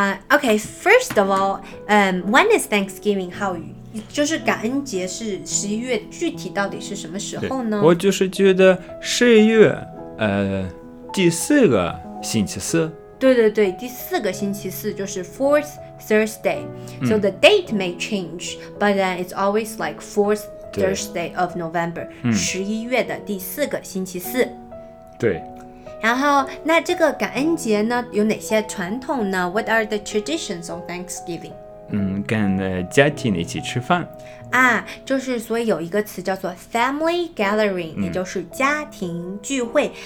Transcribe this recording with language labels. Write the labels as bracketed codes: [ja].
[en] OK, first of all, when is Thanksgiving, 浩宇？ [zh] 就是感恩节是十一月，具体到底是什么时候呢？我就是觉得十一月，第四个星期四。对对对，第四个星期四就是 [en] Fourth Thursday. So the date may change, but then it's always like Fourth Thursday of November. [zh] 十一月的第四个星期四。对。然后，那这个感恩节呢，有哪些传统呢？ [en] What are the traditions of Thanksgiving? [zh] 跟家庭一起吃饭啊，就是所以有一个词叫做 [en] family gathering, [zh] 也就是家庭聚会。